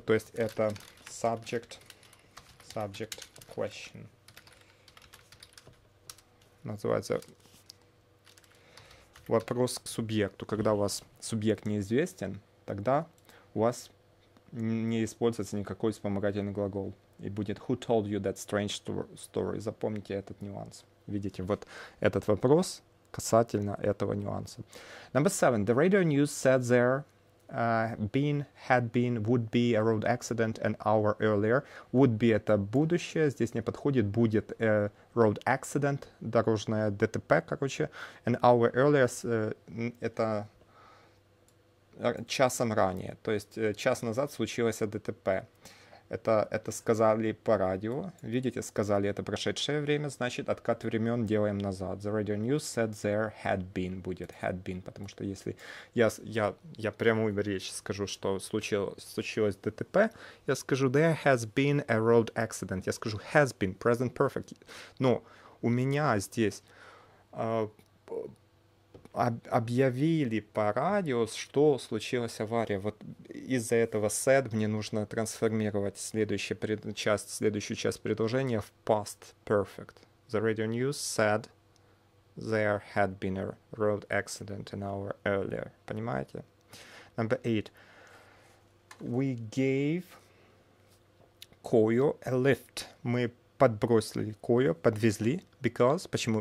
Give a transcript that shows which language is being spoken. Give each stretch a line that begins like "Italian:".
Russian: То есть это
English: subject question.
Russian: Называется вопрос к субъекту. Когда у вас субъект неизвестен, тогда у вас не используется никакой вспомогательный глагол. И будет
English: who told you that strange story?
Russian: Запомните этот нюанс. Видите, вот этот вопрос касательно этого нюанса.
English: Number seven. The radio news said there would be a road accident an hour earlier. Would be
Russian: — это будущее. Здесь не подходит. Будет
English: road accident,
Russian: дорожное ДТП, короче.
English: An hour earlier
Russian: это часом ранее. То есть час назад случилось ДТП. Это сказали по радио. Видите, сказали это прошедшее время. Значит, откат времен делаем назад.
English: The radio news said there had been.
Russian: Будет
English: had been.
Russian: Потому что если я прямую речь скажу, что случилось ДТП, я скажу
English: there has been a road accident.
Russian: Я скажу
English: has been. Present perfect.
Russian: Но у меня здесь объявили по радио, что случилась авария. Вот из-за этого said мне нужно трансформировать следующую часть предложения в past perfect.
English: The radio news said there had been a road accident an hour earlier.
Russian: Понимаете?
English: Number eight. We gave Koyo a lift.
Russian: Мы подбросили Коя, подвезли,
English: because,
Russian: почему?